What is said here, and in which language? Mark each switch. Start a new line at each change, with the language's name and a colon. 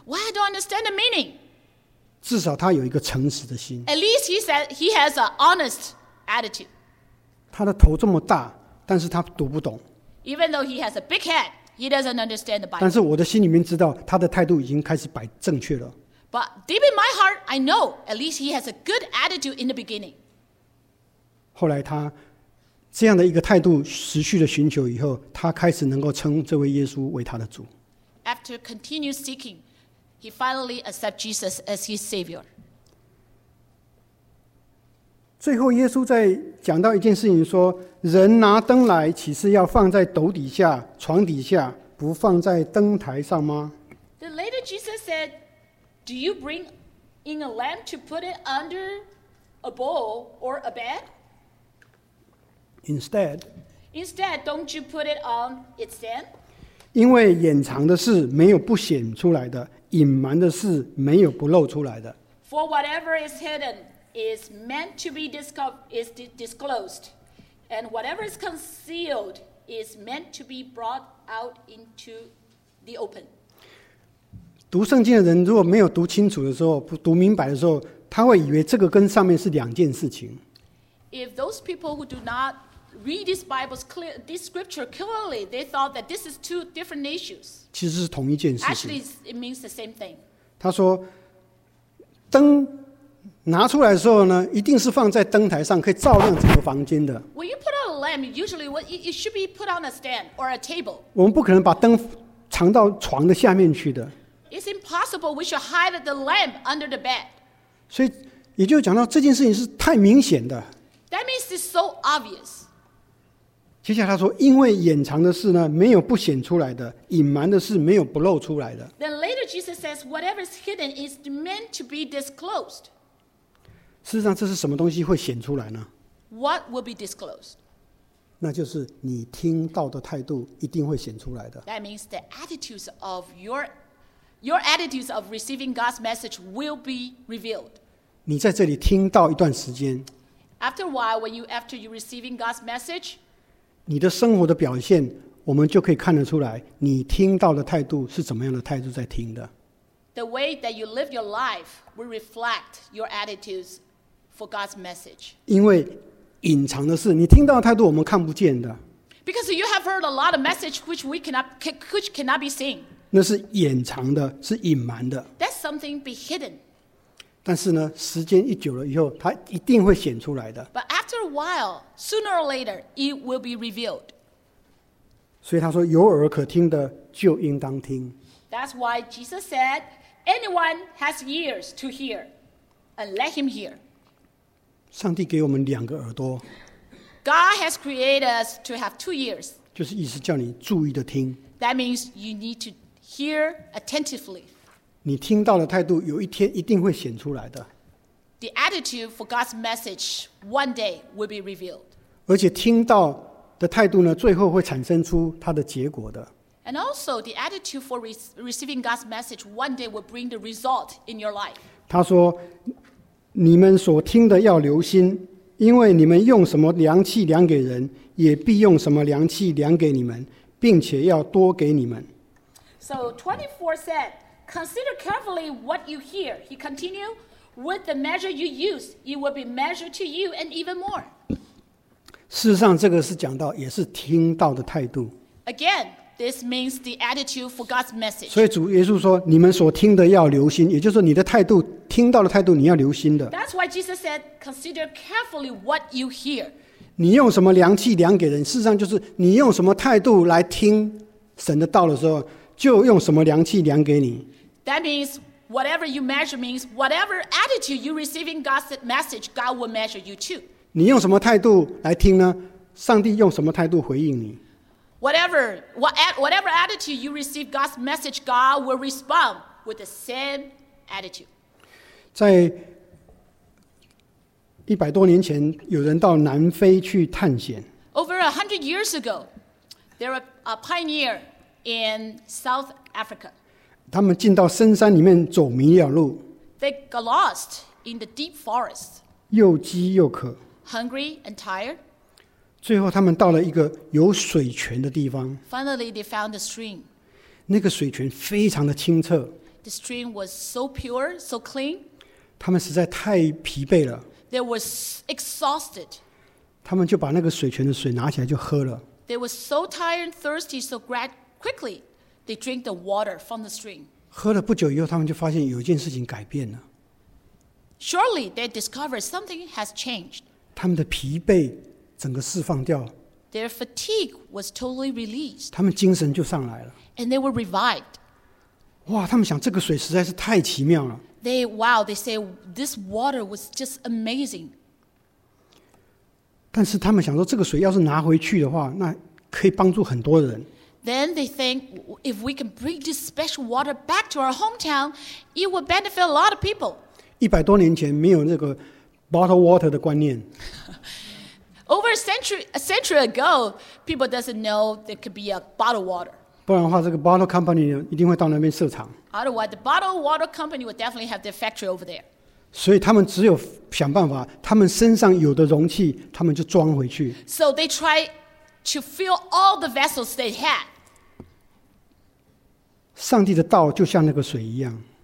English: ？Why I don't understand the meaning?
Chinese: 至少他有一个诚实的心。
English: At least he said he has an honest attitude.
Chinese: 他的头这么大，但是他读不懂。
English: Even though he has a big head, he doesn't understand the Bible.
Chinese: 但是我的心里面知道，他的态度已经开始摆正确了。
English: But deep in my heart, I know at least he has a good attitude in the beginning.
Chinese: 后来他这样的一个态度持续的寻求以后，他开始能够称这位耶稣为他的主。
English: After continued seeking, he finally accepted Jesus as his savior.
Chinese: 最后耶稣在讲到一件事情说，人拿灯来岂是要放在斗底下床底下，不放在灯台上吗？
English: The later Jesus said, do you bring in a lamp to put it under a bowl or a bed? Instead, don't you put it on its stand?
Chinese: 因为掩藏的事没有不显出来的，隐瞒的事没有不露出来的。
English: For whatever is hiddenis meant to be disclosed, and whatever is concealed is meant to be brought out into the open.
Chinese: 读圣经的人如果没有读清楚的时候，不读明白的时候，他会以为这个跟上面是两件事情。
English: If those people who do not read this Bible's clear, this scripture clearly, they thought that this is two different issues.
Chinese: 其实是同一件事情。
English: Actually, it means the same thing.
Chinese: 他说，灯。拿出来的时候呢，一定是放在灯台上，可以照亮整个房间的。
English: When you put out a lamp, usually it should be put on a stand or a table.
Chinese: 我们不可能把灯藏到床的下面去的。
English: It's impossible we should hide the lamp under the bed.
Chinese: 所以，也就讲到这件事情是太明显的。
English: That means it's so obvious.
Chinese: 接下来他说，因为掩藏的事呢，没有不显出来的；隐瞒的事没有不露出来的。
English: Then later Jesus says, whatever is hidden is meant to be disclosed.
Chinese: 事实上，这是什么东西会显出来呢
English: ？What will be disclosed？
Chinese: 那就是你听到的态度一定会显出来的。
English: That means the attitudes of your attitudes of receiving God's message will be revealed.
Chinese: 你在这里听到一段时间
English: ，After a while, when you after you receiving God's message，
Chinese: 你的生活的表现，我们就可以看得出来，你听到的态度是怎么样的态度在听的。
English: The way that you live your life will reflect your attitudes. For God's message.
Chinese: 因为隐藏的事，你听到的态度我们看不见的。
English: Because you have heard a lot of message which cannot be seen.
Chinese: 那是掩藏的，是隐瞒的。
English: That's something be hidden.
Chinese: 但是呢，时间一久了以后，它一定会显出来的。
English: But after a while, sooner or later, it will be revealed.
Chinese: 所以他说，有耳可听的就应当听。
English: That's why Jesus said, anyone has ears to hear, and let him hear.
Chinese: 上帝给我们两个耳朵。
English: God has created us to have two ears.
Chinese: 就是意思叫你注意的听。
English: That means you need to hear attentively.
Chinese: 你听到的态度有一天一定会显出来的。
English: The attitude for God's message one day will be revealed.
Chinese: 而且听到的态度呢，最后会产生出它的结果的。
English: And also the attitude for receiving God's message one day will bring the result in your life.
Chinese: 他说你们所听的要留心，因为你们用什么凉气量给人，也必用什么凉气量给你们，并且要多给你们。
English: So 24 said, consider carefully what you hear. He continued, with the measure you use, it will be measured to you and even more.
Chinese: 事实上这个是讲到也是听到的态度。
English: Again, this means the attitude for God's message.
Chinese: 所以主耶稣说你们所听的要留心，也就是说你的态度，听到的态度你要留心的。
English: That's why Jesus said, consider carefully what you hear.
Chinese: 你用什么凉气量给人，事实上就是你用什么态度来听神的道的时候，就用什么凉气量给你。
English: That means whatever you measure means whatever attitude you receive in God's message, God will measure you too.
Chinese: 你用什么态度来听呢？上帝用什么态度回应你？
English: Whatever attitude you receive God's message, God will respond with the same attitude.
Chinese: 在100多年前，有人到南非去探险。
English: Over 100 years ago, there was a pioneer. In South Africa,
Chinese: 他们进到深山里面走迷了路。
English: They got lost in the deep forest.
Chinese: 又饥又渴。
English: Hungry and tired.
Chinese: 最后他们到了一个有水泉的地方。
English: Finally, they found a stream.
Chinese: 那个水泉非常的清澈。
English: The stream was so pure, so clean.
Chinese: 他们实在太疲惫了。
English: They were exhausted.
Chinese: 他们就把那个水泉的水拿起来就喝了。
English: They were so tired and thirsty, so glad. Quickly, they drink the water from the stream.
Chinese: 喝了不久以后，他们就发现有一件事情改变了。
English: Surely, they discovered something has changed.
Chinese: 他们的疲惫整个释放掉。
English: Their fatigue was totally released.
Chinese: 他们精神就上来了。
English: And they were revived.
Chinese: 哇，他们想这个水实在是太奇妙了。
English: They say this water was just amazing.
Chinese: 但是他们想说，这个水要是拿回去的话，那可以帮助很多人。
English: Then they think, if we can bring this special water back to our hometown, it will benefit a lot of people.
Chinese: 一百多年前没有那个
English: bottle water
Chinese: 的观念。
English: Over a century ago, people doesn't know there could be a bottle water.
Chinese: 不然的话，这个
English: bottle company
Chinese: 一定会到那边设厂。
English: Otherwise, the bottle water company would definitely have their factory over there.
Chinese: 所以他们只有想办法，他们身上有的容器，他们就装回去。
English: So they try. To fill all the vessels they had.
Chinese: 上帝的道就像那个水一样。